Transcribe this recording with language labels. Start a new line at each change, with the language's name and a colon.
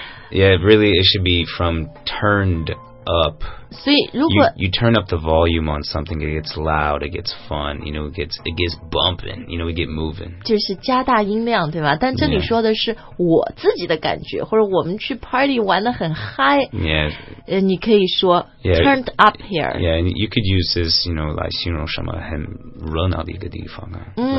English: Yeah, really, it should be from turned up.
Chinese: 所以如果
English: you turn up the volume on something, it gets loud, it gets fun, you know, it gets bumping, you know, we get moving.
Chinese: 就是加大音量，对吧？但这里说的是我自己的感觉，或者我们去 party 玩得很 high.
English: Yeah.
Chinese: 你可以说
English: turned up here. Yeah, and you could use this, you know,
Chinese: 来形容什么很热闹的一个地方啊。